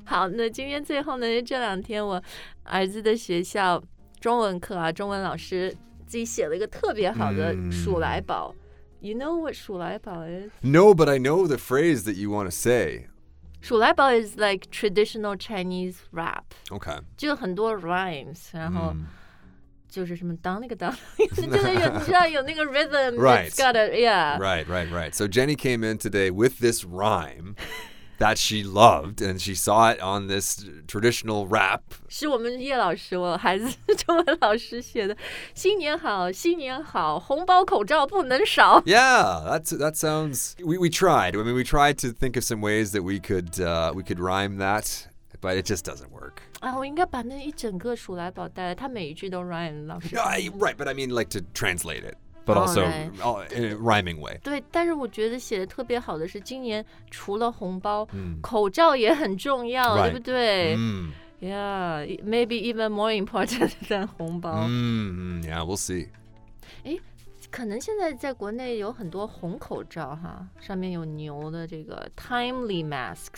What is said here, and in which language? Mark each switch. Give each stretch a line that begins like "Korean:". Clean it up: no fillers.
Chinese: 好那今天最后呢这两天我儿子的学校中文课啊中文老师自己写了一个特别好的鼠来宝、mm.
English: You know what 鼠来宝 is? No, but I know the phrase that you want to say. 鼠来宝 is like traditional Chinese rap. Okay.
Chinese: 就很多 rhymes, 然后就是什么当那个当就是有你知道有那个 rhythm.
English: Right. It's got a, yeah. Right, right, right. So Jenny came in today with this rhyme that she loved and she saw it on this traditional rap.
Chinese: 是我们叶老师我孩子中文老师写的新年好新年好红包口罩不能少
English: Yeah, that sounds we tried. I mean, we tried to think of some ways that we could rhyme that, but it just doesn't work.
Chinese: 啊，我应该把那一整个鼠来宝带来，他每一句都 rhyme 老师。
English: Right, but I mean like to translate it. But also、 right. in a rhyming way.
Chinese: 对，但是我觉得写的特别好的是今年除了红包、mm. 口罩也很重要、
English: right.
Chinese: 对不对、 mm.
English: Yeah, maybe even more important than 红包、 mm. Yeah, we'll see.
Chinese: 诶，可能现在在国内有很多红口罩哈，上面有牛的这个
English: timely masks.